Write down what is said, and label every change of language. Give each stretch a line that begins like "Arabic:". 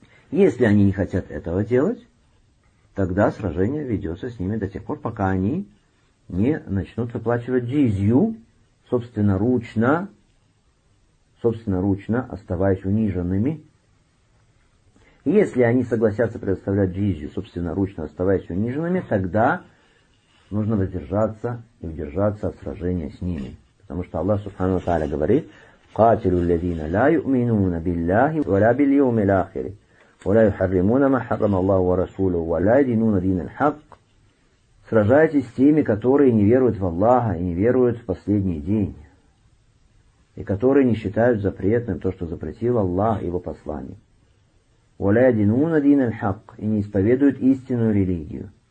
Russian: Если они не хотят этого делать, тогда сражение ведется с ними до тех пор, пока они не начнут выплачивать джизью, собственноручно оставаясь униженными. Если они согласятся предоставлять джизью, собственноручно оставаясь униженными, тогда нужно воздержаться и удержаться от сражения с ними. Потому что Аллах Субхану ва Тааля говорит:
Arabic: قَاتِلُوا الَّذِينَ لَا يُؤْمِنُونَ بِاللَّهِ وَلَا بِالْيَوْمِ الْآخِرِ وَلَا يُحَرِّمُونَ مَا حَرَّمَ اللَّهُ وَرَسُولُهُ وَلَا يَدِينُونَ دِينَ الْحَقِّ.
Russian: Сражайтесь с теми, которые не веруют в Аллаха и не веруют в последний день, и которые не считают запретным то, что запретил Аллах и его послание.
Arabic: وَلَا يَدِينُونَ دِينَ الْحَقِّ,
Russian: и не исповедуют истинную религию.